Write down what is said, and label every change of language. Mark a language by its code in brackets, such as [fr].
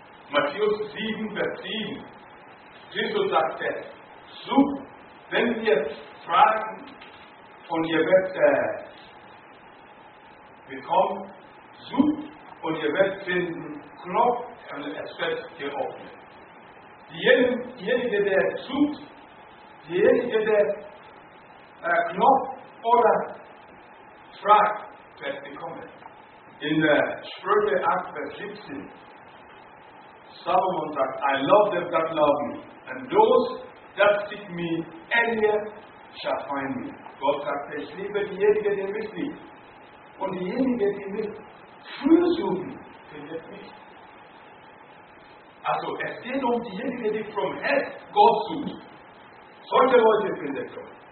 [de] Matthäus 7, Vers 7. Jesus sagte, sucht, wenn wir Fragen und ihr werdet bekommen, sucht und ihr werdet finden, klopft und es wird geöffnet. Diejenige, der sucht, diejenige, der klopft oder fragt, wird bekommen. In der Sprüche 8, Vers 17. Solomon sagt, [en] I love them that love me, and those that seek me earlier shall find me. [de] Gott sagt, ich liebe diejenigen, die mich lieben. Und diejenigen, die mich früher suchen, findet mich. Also, es geht um diejenigen, die vom Herz Gott suchen. Solche Leute findet Gott.